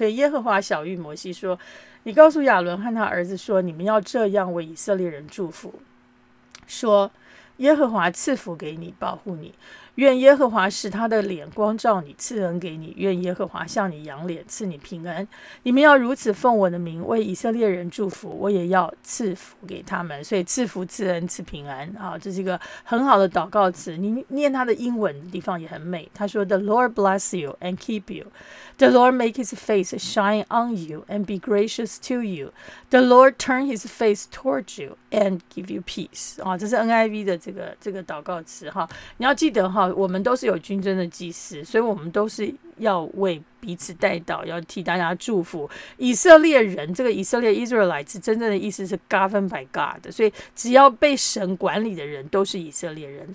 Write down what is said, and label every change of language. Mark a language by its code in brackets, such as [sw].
[zh] 所以耶和华晓谕摩西说，你告诉亚伦和他儿子说，你们要这样为以色列人祝福，说耶和华赐福给你，保护你，愿耶和华使他的脸光照你，赐恩给你，愿耶和华向你扬脸，赐你平安。你们要如此奉我的名为以色列人祝福，我也要赐福给他们。所以赐福、赐恩、赐平安，好，这是一个很好的祷告词。你念他的英文的地方也很美，他说 [en] The Lord bless you and keep you. The Lord make his face shine on you and be gracious to you. The Lord turn his face towards you and give you peace. [zh] 这是 NIV 的这个祷告词。你要记得哈，我们都是有军尊的祭司，所以我们都是要为彼此代祷，要替大家祝福。以色列人，这个以色列 Israelites 真正的意思是 [en] governed by God， [zh] 所以只要被神管理的人都是以色列人。